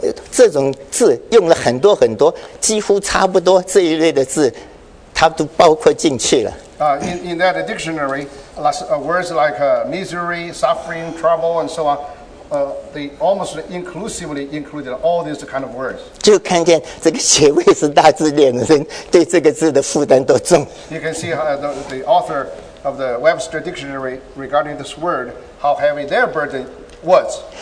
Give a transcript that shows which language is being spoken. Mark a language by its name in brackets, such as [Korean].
[Chinese] 这种字用了很多很多，几乎差不多这一类的字，它都包括进去了。 [English] In that dictionary, words like misery, suffering, trouble, and so on, they almost inclusively included all these kind of words. [Chinese] 就看见这个写卫斯大字典的人对这个字的负担多重。 [English] You can see how the author of the Webster Dictionary regarding this word, how heavy their burden was.